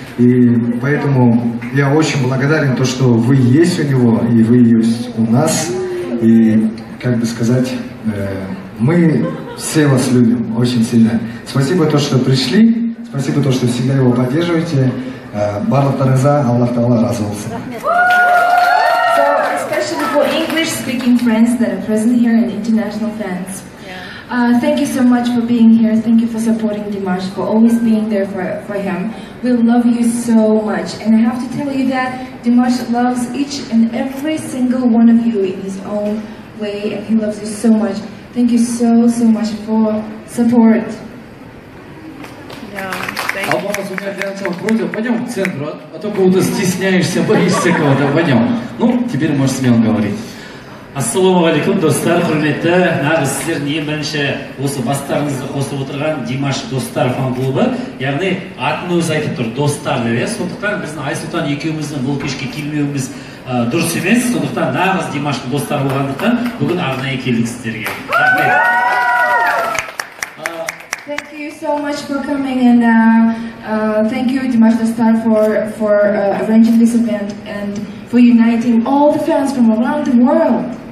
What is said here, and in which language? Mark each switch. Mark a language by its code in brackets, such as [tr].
[ru] И поэтому я очень благодарен, то, что вы есть у него и вы есть у нас. И, как бы сказать, мы все вас любим очень сильно. Спасибо, то, что пришли. Спасибо, то, что всегда его поддерживаете. [kk] Барлықтарыңызға Аллах тағала разы болсын. [en] So, especially for English-speaking friends that are present here and international fans. Thank you so much for being here. Thank you for supporting Dimash, for always being there for him. We love you so much. And I have to tell you that Dimash loves each and every single one of you in his own way. And he loves you so much. Thank you so, so much for support. [ru] Алпамыс, у меня для начала просьба, пойдем в центр, а то кого-то стесняешься, боишься кого-то, пойдем. Ну, теперь можешь смело говорить. [kk] Ассаламу алейкум, достар, құрметті, нағыз сіздердің ең бірінші осы бастарыңызды қосып отырған Димаш Достар фан-клубы, яғни атын өз айтып тұр, достар деп, сондықтан біздің Айсултан екеуміздің бұл кешке келмеуіміз дұрыс емес, сондықтан нағыз Димаш Достар болғандықтан бүгін арнайы келдік сіздерге. [en] Thank you so much for coming, and thank you, Dimash Dostar, for arranging this event and for uniting all the fans from around the world.